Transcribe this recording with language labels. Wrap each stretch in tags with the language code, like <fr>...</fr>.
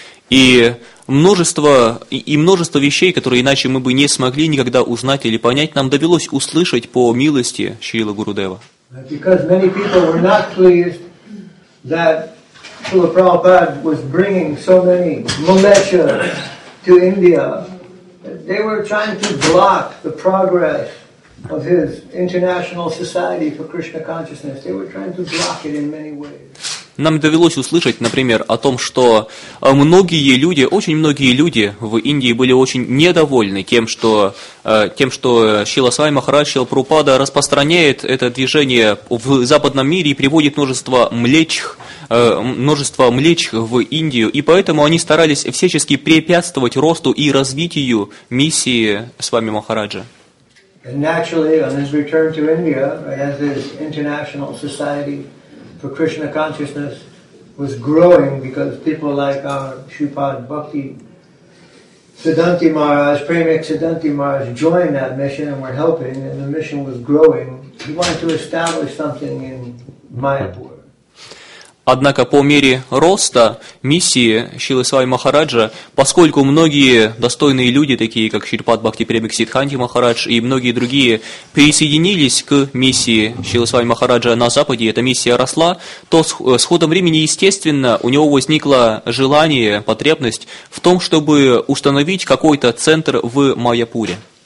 <ru>И множество вещей, которые иначе мы бы не смогли никогда узнать или понять, нам довелось услышать по милости Шрилы Гурудева.</ru> <en>Because many people were not pleased that Srila Prabhupada was bringing so many maleshas to India. They were trying to block the progress of his International Society for Krishna Consciousness. They were trying to block it in many ways.</en> <ru>Нам довелось услышать, например, о том, что многие люди, очень многие люди в Индии были очень недовольны тем, что Шрила с Вами Махарадж, Шрила Прабхупада распространяет это движение в западном мире и приводит множество млечих в Индию, и поэтому они старались всячески препятствовать росту и развитию миссии с Вами Махараджа.</ru> <en>And naturally, on his return to India, as his International Society for Krishna Consciousness was growing, because people like our Shripad Bhakti Siddhanti Maharaj, Premik Siddhanti Maharaj, joined that mission and were helping, and the mission was growing, he wanted to establish something in Mayapur.</en> <ru>Однако по мере роста миссии Шрилы Свами Махараджа, поскольку многие достойные люди, такие как Шрипад Бхакти Премик Сиддханти Махарадж и многие другие, присоединились к миссии Шрилы Свами Махараджа на Западе, эта миссия росла, то с ходом времени, естественно, у него возникло желание, потребность в том, чтобы установить какой-то центр в Майяпуре.</ru>